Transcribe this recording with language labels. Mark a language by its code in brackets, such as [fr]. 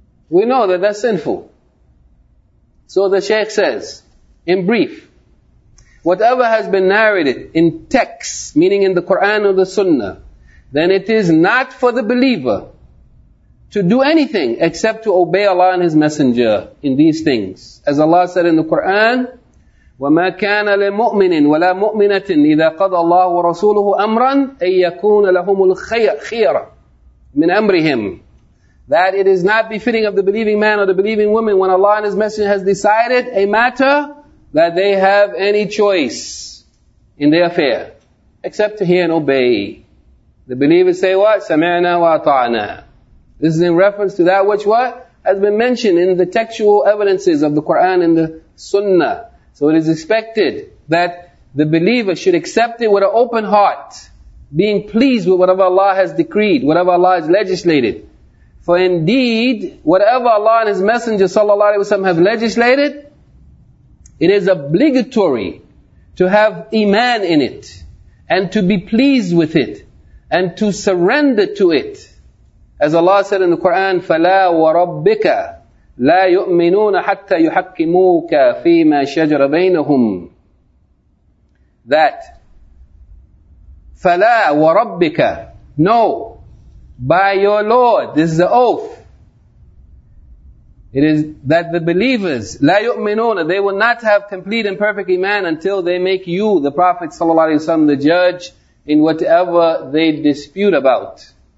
[en] We know that that's sinful. So the Shaykh says, in brief, whatever has been narrated in texts, meaning in the Quran or the Sunnah, then it is not for the believer to do anything except to obey Allah and His Messenger in these things. As Allah said in the Quran, [ar] وَمَا كَانَ لِمُؤْمِنٍ وَلَا مُؤْمِنَةٍ إِذَا قَضَى اللَّهُ وَرَسُولُهُ أَمْرًا أَن يَكُونَ لَهُمُ الْخِيَرَ مِنْ أَمْرِهِمْ. [en] That it is not befitting of the believing man or the believing woman when Allah and His Messenger has decided a matter that they have any choice in their affair except to hear and obey. The believers say what? Sami'na wa ata'na. This is in reference to that which what? Has been mentioned in the textual evidences of the Quran and the Sunnah. So it is expected that the believer should accept it with an open heart, being pleased with whatever Allah has decreed, whatever Allah has legislated. For indeed, whatever Allah and His Messenger sallallahu alaihi wasallam have legislated, it is obligatory to have iman in it, and to be pleased with it, and to surrender to it, As Allah said in the Quran, [ar] فَلَا وَرَبِّكَ لَا يُؤْمِنُونَ حَتَّى يُحَكِّمُوكَ فِي مَا شَجْرَ بَيْنَهُمْ. [en] That, [ar] فَلَا وَرَبِّكَ, [en] no, by your Lord, this is the oath. It is that the believers, [ar] لَا يُؤْمِنُونَ, [en] they will not have complete and perfect iman until they make you, the Prophet ﷺ, the judge in whatever they dispute about.